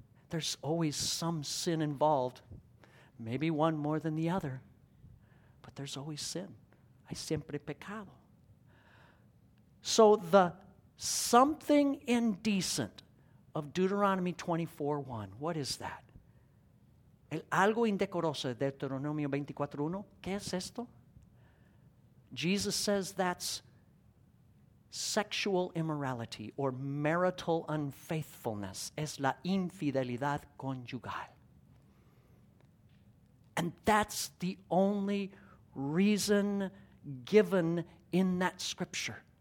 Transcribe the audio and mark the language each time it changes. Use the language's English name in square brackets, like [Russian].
[English] There's always some sin involved. Maybe one more than the other, but there's always sin. [Spanish] Hay siempre pecado. [English] So the something indecent of Deuteronomy 24:1, what is that? [Spanish] El algo indecoroso de Deuteronomio 24:1, ¿qué es esto? [English] Jesus says that's sexual immorality or marital unfaithfulness. [Spanish] Es la infidelidad conyugal. [English] And that's the only reason given in that scripture.